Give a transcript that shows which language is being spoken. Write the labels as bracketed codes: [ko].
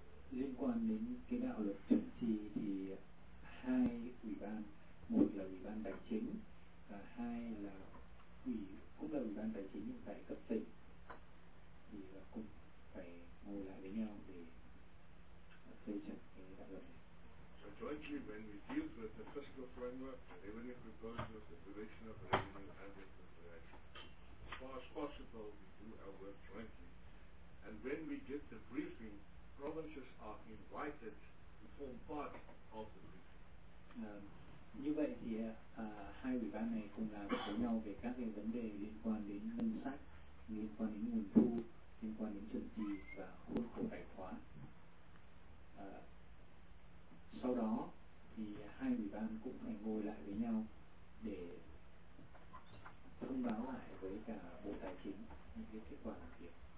[vi] Liên quan đến cái đạo luật chính trị thì hai ủy ban, một là ủy ban tài chính và hai là cũng là ủy ban tài chính nhưng tại cấp tỉnh, thì cũng phải ngồi lại với nhau để xây dựng cái đạo luật này. [en] So jointly when we deal with the fiscal framework, the revenue proposals, the duration of revenue and the as far as possible we do our work jointly. And when we get the briefing, provinces are invited to form part of the briefing. [vi] Như vậy thì hai ủy ban này cùng làm với nhau về các cái vấn đề liên quan đến ngân sách, liên quan đến nguồn thu, liên quan đến chuẩn bị và khuôn khổ tài khoá. Sau đó thì hai ủy ban cũng phải ngồi lại với nhau để thông báo lại với cả Bộ Tài chính những cái kết quả làm việc.